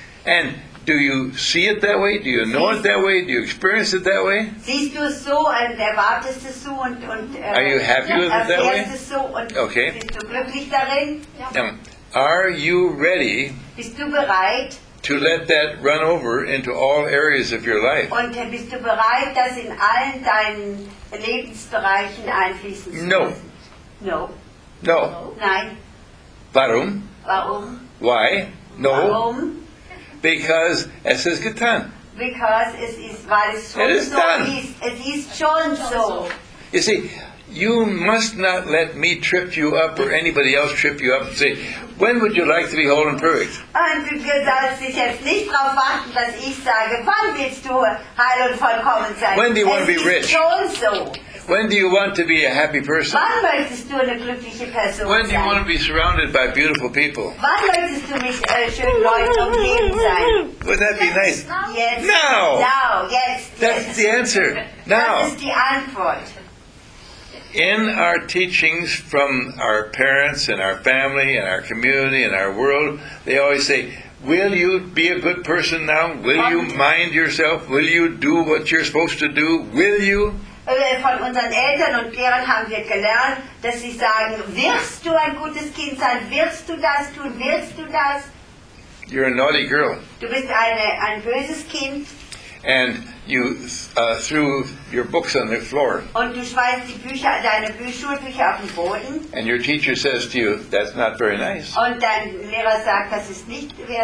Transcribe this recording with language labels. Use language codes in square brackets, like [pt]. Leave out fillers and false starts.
[en] And do you see it that way? Do you know it that way? Do you experience it that way? [de] Siehst du es so und erwartest es so und [en] are you happy with it that way? [de] Erfährst es so und okay. Bist du glücklich darin? Ja. [en] Now, are you ready? [de] Bist du bereit? [en] To let that run over into all areas of your life. [de] Und bist du bereit, das in allen deinen Lebensbereichen einfließen zu lassen? [en] No. No. No. [de] Nein. Warum? Warum? [en] Why? No. [de] Warum? [en] Because [de] es ist getan. [en] Because [de] es ist, weil es schon [en] is [de] so ist. Es ist schon so. [en] You see, you must not let me trip you up or anybody else trip you up and say, when would you like to be whole and perfect? [de] Und du sollst dich jetzt nicht darauf warten, dass ich sage, wann willst du heil und vollkommen sein? [en] When do you want to be rich? [de] Schon so. [en] When do you want to be a happy person? [de] Wann möchtest du eine glückliche Person sein? [en] When do you want to be surrounded by beautiful people? [de] Wann möchtest du mit schönen Leuten umgeben sein? [en] Would that be nice? Yes. Now. Now. Yes. That's the answer. Now. [de] Das ist die Antwort. [en] in our teachings from our parents and our family and our community and our world, they always say, will you be a good person now? Will you mind yourself? Will you do what you're supposed to do? Will you? [de] Von unseren Eltern und Lehrern haben wir gelernt, dass sie sagen, wirst du ein gutes Kind sein? Wirst du das tun? Wirst du das? [en] You're a naughty girl. [de] Du bist ein böses Kind. [en] And you threw your books on the floor. [de] Und du schmeißt die Bücher, deine Schulbücher auf den Boden. [en] And your teacher says to you, that's not very nice. [de] Und dein Lehrer sagt, das ist nicht sehr